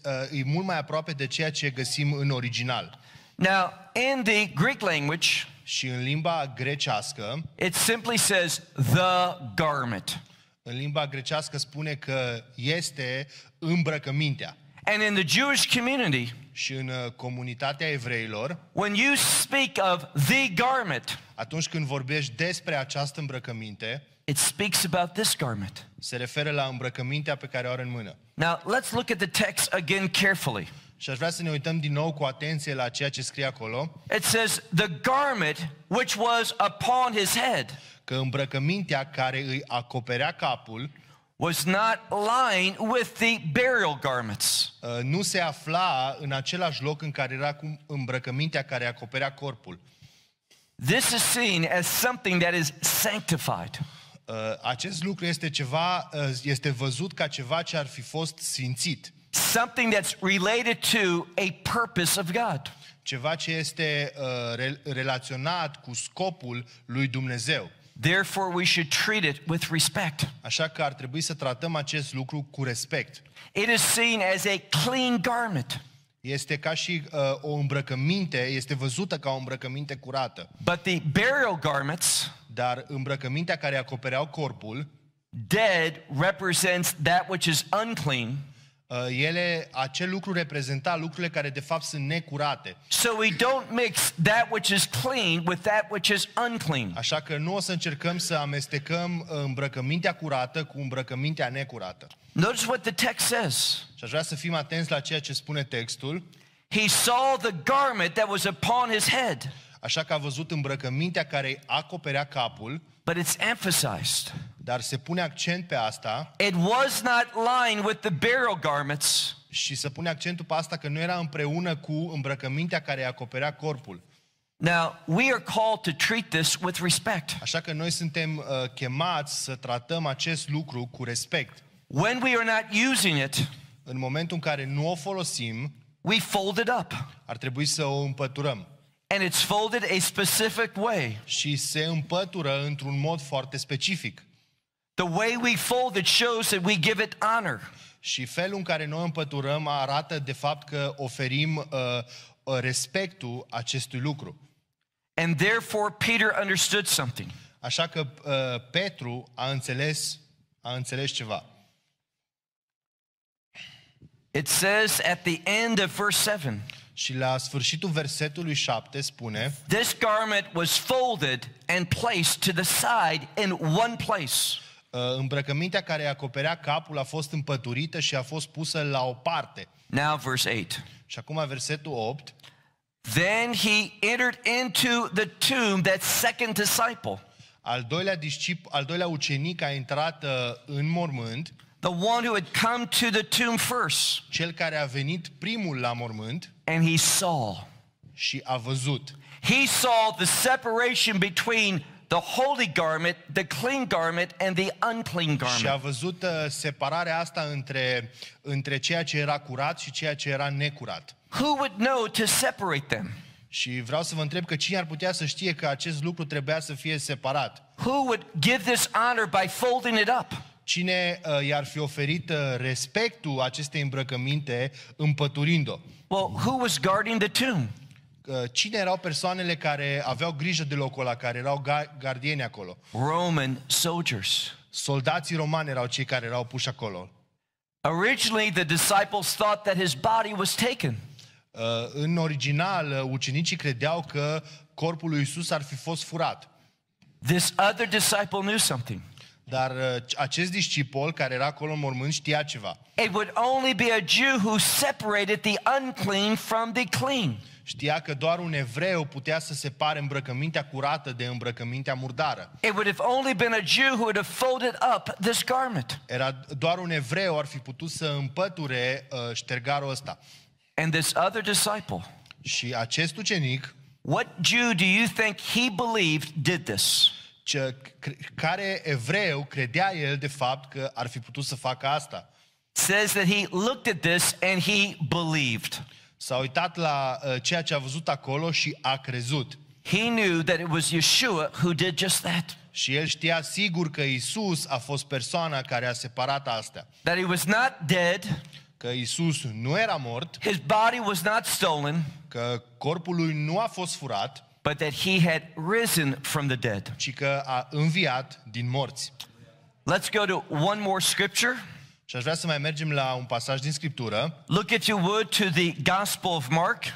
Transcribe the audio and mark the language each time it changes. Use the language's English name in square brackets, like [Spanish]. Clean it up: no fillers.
[Romanian] E mult mai aproape de ceea ce găsim în original. [English] Now, in the Greek language, [Romanian] și în limba grecească, [English] it simply says the garment. [Romanian] În limba grecească spune că este îmbrăcămintea. [English] And in the Jewish community, [Romanian] și în comunitatea evreilor, [English] when you speak of the garment, [Romanian] atunci când vorbești despre această îmbrăcăminte, [English] it speaks about this garment. [Romanian] Se referă la îmbrăcămintea pe care o are în mână. [English] Now, let's look at the text again carefully. [Romanian] Și aș vrea să ne uităm din nou cu atenție la ceea ce scrie acolo. [English] It says the garment which was upon his head. [Romanian] Că îmbrăcămintea care îi acoperea capul [English] was not lying with the burial garments. [Romanian] Nu se afla în același loc în care era cu îmbrăcămintea care acoperea corpul. [English] This is seen as something that is sanctified. [Romanian] Acest lucru este ceva, este văzut ca ceva ce ar fi fost sfințit. [English] Something that's related to a purpose of God. [Romanian] Ceva ce este relaționat cu scopul lui Dumnezeu. [English] Therefore, we should treat it with respect. [Romanian] Așa că ar trebui să tratăm acest lucru cu respect. [English] It is seen as a clean garment. [Romanian] Este ca și o îmbrăcăminte, este văzută ca o îmbrăcăminte curată. [English] But the burial garments, [Romanian] dar îmbrăcămintea care acopereau corpul, [English] dead represents that which is unclean. [Romanian] Ele, acel lucru reprezenta lucrurile care de fapt sunt necurate. [English] So we don't mix that which is clean with that which is unclean. [Romanian] Așa că nu o să încercăm să amestecăm îmbrăcămintea curată cu îmbrăcămintea necurată. [English] Notice what the text says. [Romanian] Și aș vrea să fim atenți la ceea ce spune textul. [English] He saw the garment that was upon his head. [Romanian] Așa că a văzut îmbrăcămintea care îi acoperea capul. [English] But it's emphasized. [Romanian] Dar se pune accent pe asta. [English] It was not lined with the burial garments. [Romanian] Și se pune accentul pe asta că nu era împreună cu îmbrăcămintea care îi acoperea corpul. [English] Now, we are called to treat this with respect. [Romanian] Așa că noi suntem chemați să tratăm acest lucru cu respect. [English] When we are not using it, [Romanian] în momentul în care nu o folosim, [English] we fold it up. [Romanian] Ar trebui să o împăturăm. [English] And it's folded a specific way. [Romanian] Și se împătură într-un mod foarte specific. [English] The way we fold it shows that we give it honor. [Romanian] Și felul în care noi împăturăm arată de fapt că oferim respectul acestui lucru. [English] And therefore Peter understood something. [Romanian] Așa că Petru a înțeles ceva. [English] It says at the end of verse 7. [Romanian] Și la sfârșitul versetului 7 spune: [English] this garment was folded and placed to the side in one place. [Romanian] Îmbrăcămintea care acoperea capul a fost împăturită și a fost pusă la o parte. [English] Now verse 8. [Romanian] Și acum versetul 8. [English] Then he entered into the tomb that second disciple. [Romanian] Al doilea ucenic a intrat în mormânt. [English] The one who had come to the tomb first. [Romanian] Cel care a venit primul la mormânt. [English] And he saw. [Romanian] Și a văzut. [English] He saw the separation between the holy garment, the clean garment and the unclean garment. [Romanian] Și a văzut separarea asta între ceea ce era curat și ceea ce era necurat. [English] Who would know to separate them? [Romanian] Și vreau să vă întreb că cine ar putea să știe că acest lucru trebuia să fie separat? [English] Who would give this honor by folding it up? [Romanian] Cine i-ar fi oferit respectul acestei îmbrăcăminte împăturind-o? [English] Well, who was guarding the tomb? [Romanian] Cine erau persoanele care aveau grijă de locul ăla, care erau gardieni acolo? [English] Roman soldiers. [Romanian] Soldații romani erau cei care erau puși acolo. [English] Originally, the disciples thought that his body was taken. [Romanian] În original, ucenicii credeau că corpul lui Iisus ar fi fost furat. [English] This other disciple knew something. [Romanian] Dar acest discipol care era acolo în mormânt știa ceva. [English] It would only be a Jew who separated the unclean from the clean. [Romanian] Știa că doar un evreu putea să separe îmbrăcămintea curată de îmbrăcămintea murdară. [English] It would have only been a Jew who would have folded up this garment. [Romanian] Era doar un evreu ar fi putut să împăture ștergarul ăsta. [English] And this other disciple. [Romanian] Și acest ucenic. [English] What Jew do you think he believed did this? [Romanian] Care evreu credea el de fapt că ar fi putut să facă asta? [English] Says that he looked at this and he believed. [Romanian] S-a uitat la ceea ce a văzut acolo și a crezut. [English] He knew that it was Yeshua who did just that. [Romanian] Și el știa sigur că Iisus a fost persoana care a separat astea. [English] That he was not dead. [Romanian] Că Iisus nu era mort. [English] His body was not stolen. [Romanian] Că corpul lui nu a fost furat. [English] But that he had risen from the dead. [Romanian] Ci că a înviat din morți. [English] Let's go to one more scripture. [Romanian] Și aș vrea să mai mergem la un pasaj din Scriptură. [English] Look if you would to the Gospel of Mark.